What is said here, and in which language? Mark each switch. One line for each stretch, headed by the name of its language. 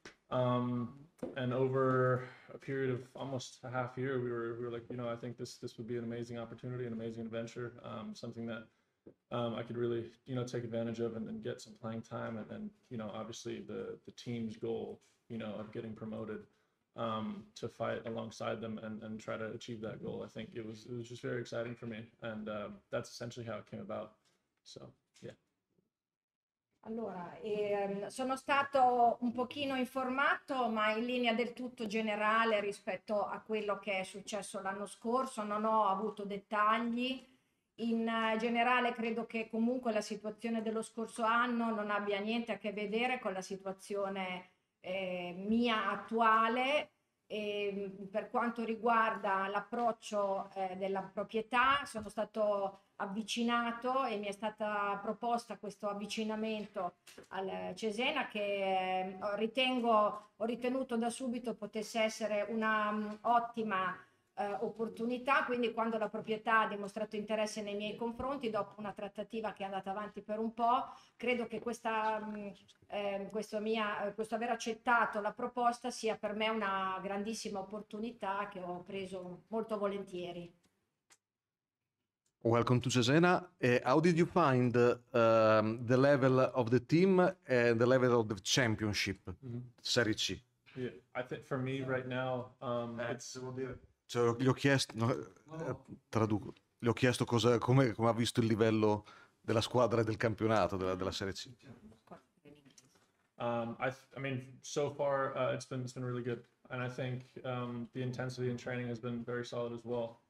English: And over a period of almost a half year, we were like, I think this would be an amazing opportunity, an amazing adventure, something that I could really, take advantage of and get some playing time. And obviously the team's goal, of getting promoted, to fight alongside them and try to achieve that goal. I think it was just very exciting for me. And that's essentially how it came about. So, yeah.
Italian: Allora, sono stato un pochino informato, ma in linea del tutto generale rispetto a quello che è successo l'anno scorso, non ho avuto dettagli. In generale, credo che comunque la situazione dello scorso anno non abbia niente a che vedere con la situazione, mia attuale. E per quanto riguarda l'approccio, della proprietà, sono stato avvicinato e mi è stata proposta questo avvicinamento al Cesena che ho ritenuto da subito potesse essere un'ottima opportunità. Quindi quando la proprietà ha dimostrato interesse nei miei confronti, dopo una trattativa che è andata avanti per un po', credo che questo aver accettato la proposta sia per me una grandissima opportunità che ho preso molto volentieri.
English: Welcome to Cesena. How did you find the level of the team and the level of the championship, Serie C? Yeah, I think for me right now, it's.
Italian: Cioè, gli ho chiesto, no, traduco, gli ho chiesto come ha visto il livello della squadra e del campionato della Serie C.
English: I mean, so far it's been really good, and I think the intensity in training has been very solid as well.